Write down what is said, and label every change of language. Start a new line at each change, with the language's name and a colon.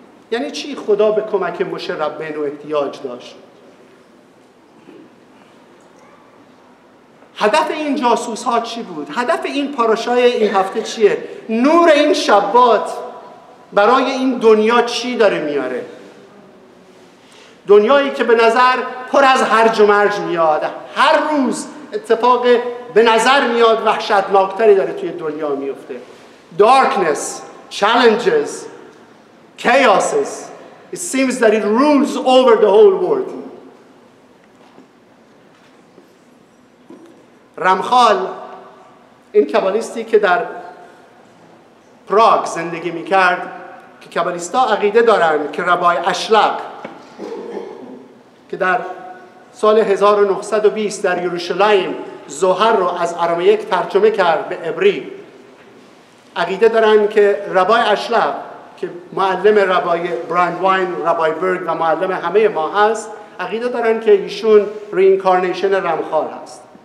Persian: یعنی چی خدا به کمک موشه ربنو احتیاج داشت؟ هدف این جاسوس ها چی بود؟ هدف این پاراشای این هفته چیه؟ نور این شبات برای این دنیا چی داره میاره؟ دنیایی که به نظر پر از هرج و مرج میاد، هر روز اتفاق به نظر میاد وحشتناکتری داره توی دنیا میفته.
English: Darkness, challenges, chaoses. It seems that it rules over the whole world.
Persian: رمخال، این کابالیستی که در پراگ زندگی میکرد، که کابالیستا عقیده دارن که ربای اشلق که در سال 1920 در یروشلایم زهر رو از ارامیک ترجمه کرد به عبری، عقیده دارن که ربای اشلق که معلم ربای براندواین، ربای برگ و معلم همه ما هست، عقیده دارن که ایشون رینکارنیشن رمخال هست.